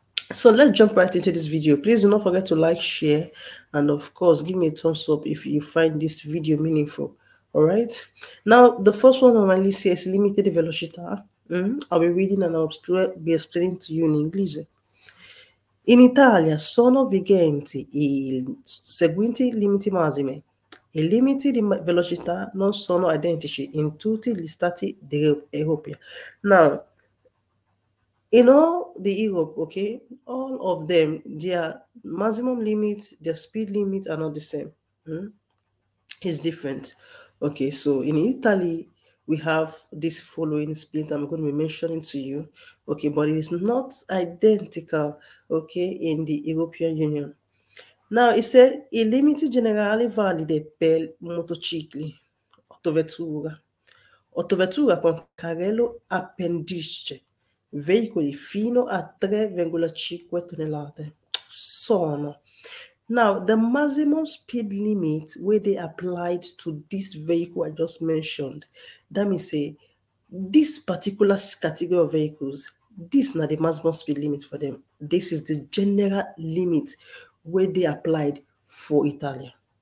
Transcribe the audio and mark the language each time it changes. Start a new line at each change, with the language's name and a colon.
English: So let's jump right into this video. Please do not forget to like, share, and of course, give me a thumbs up if you find this video meaningful. All right, now the first one on my list here is limited velocità. I'll be reading and I'll be explaining to you in English.
Italian: In Italia sono vigenti I seguenti limiti massimi. I limiti di velocità non sono identici in tutti gli stati d'Europa.
English: Now, in all the Europe, okay, all of them, their maximum limits, their speed limits are not the same. It's different. Okay, so in Italy, we have this following split I'm going to be mentioning to you. Okay, but it is not identical, okay, in the European Union. Now, it said,
Italian: I limiti generali valide per motocicli, autovettura, autovettura con carrello appendice, veicoli fino a 3,5 tonnellate, sono...
English: Now, the maximum speed limit where they applied to this vehicle I just mentioned, let me say, this particular category of vehicles, this is not the maximum speed limit for them. This is the general limit where they applied for Italia.